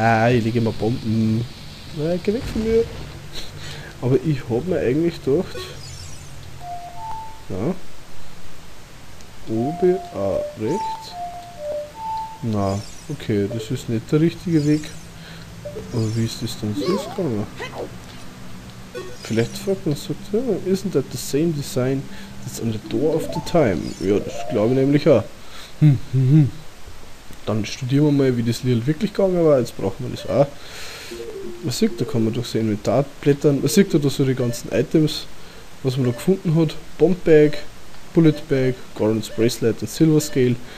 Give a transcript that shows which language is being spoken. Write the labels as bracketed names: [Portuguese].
[German] Ich lege mal Bomben. Geh weg von mir. Aber ich habe mir eigentlich gedacht. Oben, rechts. Na, okay, das ist nicht der richtige Weg. Aber wie ist das dann so gegangen? Vielleicht fragt man sich, [English] isn't that the same design that's on the door of the time? [German] Ja, das glaube ich nämlich auch. Dann studieren wir mal, wie das Lied wirklich gegangen war. Jetzt brauchen wir das auch. Man sieht, da kann man durch sein Inventar blättern. Man sieht da so die ganzen Items, was man da gefunden hat. Bomb Bag, Bullet Bag, Garnet's Bracelet und Silver Scale.